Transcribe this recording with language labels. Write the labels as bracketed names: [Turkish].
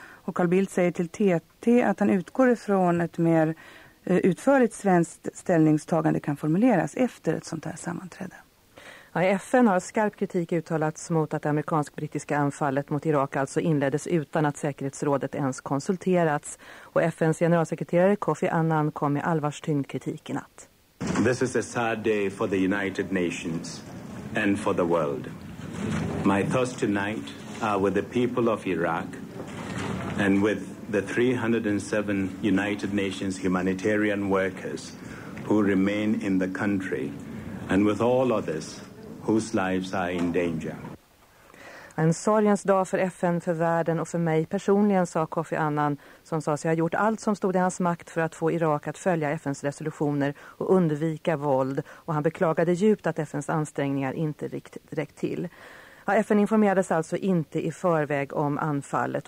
[Swedish] Och Carl Bildt säger till TT att han utgår ifrån ett mer utförligt svenskt ställningstagande kan formuleras efter ett sånt här sammanträde. Ja, FN har skarp kritik uttalats mot att det amerikansk-brittiska anfallet mot Irak alltså inleddes utan att säkerhetsrådet ens konsulterats. Och FNs generalsekreterare Kofi Annan kom med allvarstyngd kritik i natt. [English] This is a sad day for the United Nations and for the world. My thoughts tonight are with the people of Iraq and with the 307 United Nations humanitarian workers who remain in the country. And with all others whose lives are in danger. [Swedish] En sorgens dag för FN, för världen och för mig personligen, sa Kofi Annan, som sa sig ha gjort allt som stod i hans makt för att få Irak att följa FNs resolutioner och undvika våld. Och han beklagade djupt att FNs ansträngningar inte räckt till. Ja, FN informerades alltså inte i förväg om anfallet.